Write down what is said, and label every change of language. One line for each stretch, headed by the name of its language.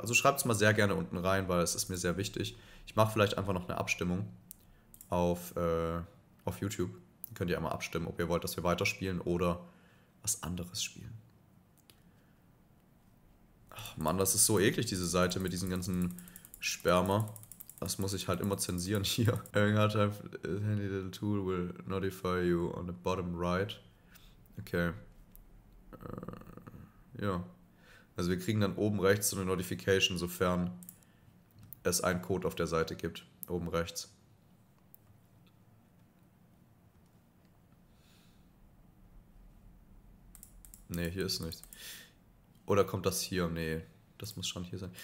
German: Also schreibt es mal sehr gerne unten rein, weil es ist mir sehr wichtig. Ich mache vielleicht einfach noch eine Abstimmung auf YouTube. Könnt ihr einmal abstimmen, ob ihr wollt, dass wir weiterspielen oder was anderes spielen. Ach Mann, das ist so eklig, diese Seite mit diesen ganzen Sperma. Das muss ich halt immer zensieren hier.
English: Having a hard time, handy little tool will notify you on the bottom right. Okay. Ja.
German: Also wir kriegen dann oben rechts so eine Notification, sofern es einen Code auf der Seite gibt. Oben rechts. Nee, hier ist nichts. Oder kommt das hier? Nee, das muss schon hier sein.